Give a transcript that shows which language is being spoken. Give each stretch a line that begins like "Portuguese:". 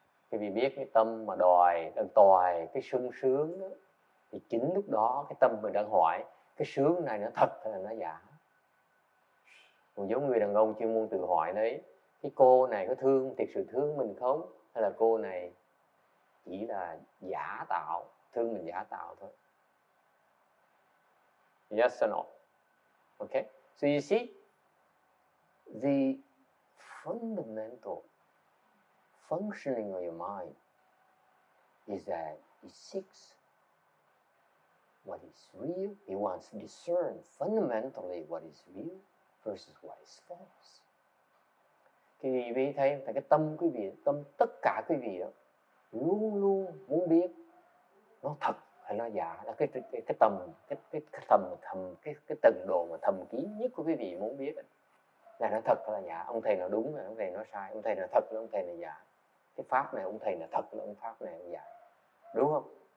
Vietnamese: Thì vì biết cái tâm mà đòi, đang tòi cái sung sướng đó, thì chính lúc đó cái tâm mình đang hỏi cái sướng này nó thật hay là nó giả. Còn giống người đàn ông chuyên môn tự hỏi đấy, cái cô này có thương, thiệt sự thương mình không? Hay là cô này chỉ là giả tạo, thương mình giả tạo thôi?
English: Yes or no? Okay? So you see, the fundamental functioning of your mind is that it seeks what is real. It wants to discern fundamentally what is real versus what is false.
Vietnamese: Quý vị thấy, cái tâm quý vị, tâm tất cả quý vị đó, luôn luôn muốn biết nó thật hay nó giả, là cái tầng độ mà thầm kín nhất của quý vị muốn biết là nó thật hay là giả, ông thầy nào đúng hay ông thầy nó sai, ông thầy nào thật là ông thầy nào giả, cái pháp này ông thầy nào thật là ông pháp này ông giả, đúng không?